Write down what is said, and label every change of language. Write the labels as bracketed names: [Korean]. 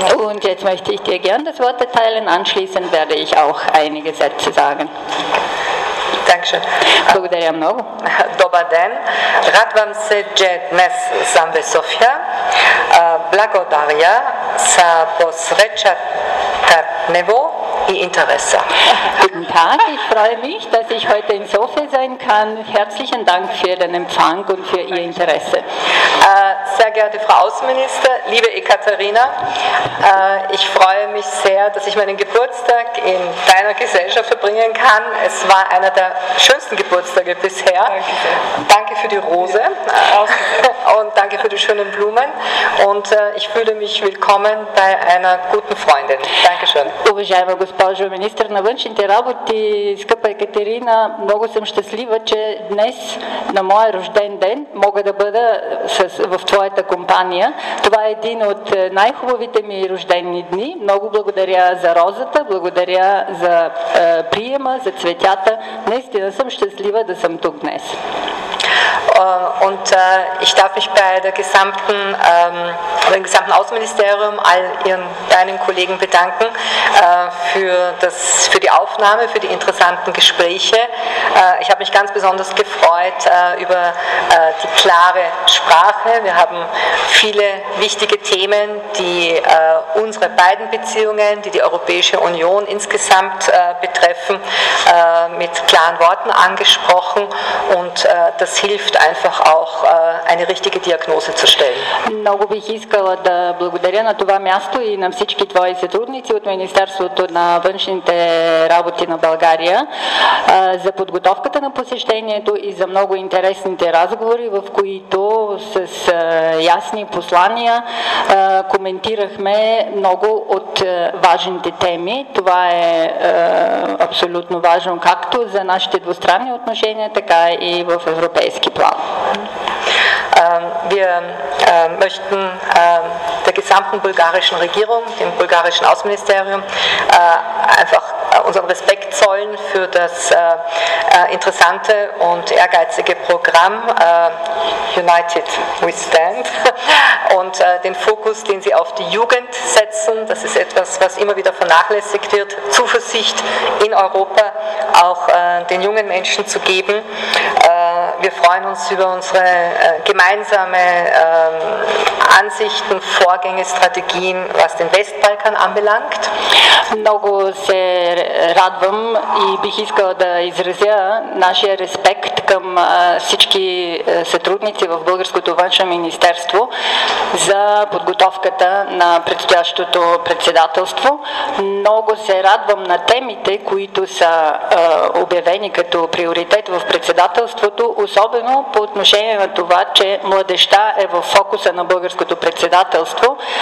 [German] Und jetzt möchte ich dir gern das Wort erteilen. Anschließend werde ich auch einige Sätze sagen. [Bulgarian] Благодаря много. Добър ден. Радвам се, че днес съм в София. Благодаря за посрещата ниво и интереса. [German] Guten Tag. Ich freue mich, dass ich heute in Sofia sein kann. Herzlichen Dank für den Empfang und für Ihr Interesse. Sehr geehrte Frau Außenminister, liebe Ekaterina, ich freue mich sehr, dass ich meinen Geburtstag in deiner Gesellschaft verbringen kann. Es war einer der schönsten Geburtstage bisher. Danke für die Rose und danke für die schönen Blumen und ich fühle mich willkommen bei einer guten Freundin. Dankeschön. [Bulgarian] Уважаема госпожо министър на външните работи, скъпа Екатерина, много съм щастлива, че днес на моя рожден ден мога да бъда в твоята компания. Това е един от най-хубавите ми рождени дни. Много благодаря за розата, благодаря за приема, за цветята. Наистина съм щастлива да съм тук днес. [German] Und ich darf mich bei der gesamten, dem gesamten Außenministerium, all ihren deinen Kollegen bedanken für die Aufnahme, für die interessanten Gespräche. Ich habe mich ganz besonders gefreut über die klare Sprache. Wir haben viele wichtige Themen, die unsere beiden Beziehungen, die Europäische Union insgesamt betreffen, mit klaren Worten angesprochen und das hilft einfach auch eine richtige Diagnose zu stellen. [Bulgarian] Много бих искала да благодаря на това място и на всички твои сътрудници от Министерството на външните работи на България за подготовката на посещението и за много интересните разговори, в които с ясни послания коментирахме много от важните теми. Това е абсолютно важно както за нашите двустранни отношения, така и в европейски план. Wir möchten der gesamten bulgarischen Regierung, dem bulgarischen Außenministerium, einfach unseren Respekt zollen für das interessante und ehrgeizige Programm United We Stand und den Fokus, den Sie auf die Jugend setzen. Das ist etwas, was immer wieder vernachlässigt wird, Zuversicht in Europa auch den jungen Menschen zu geben. Wir freuen uns über unsere gemeinsame Ansichten, Vorgänge, Strategien, was den Westbalkan anbelangt. Много се радвам и бих искала да изразя нашия респект към всички сътрудници в Българското външно министерство за подготовката на предстоящото председателство. Много се радвам на темите, които са обявени като приоритет в председателството, особено по отношение на това, че младежта е в фокуса на българското председателство.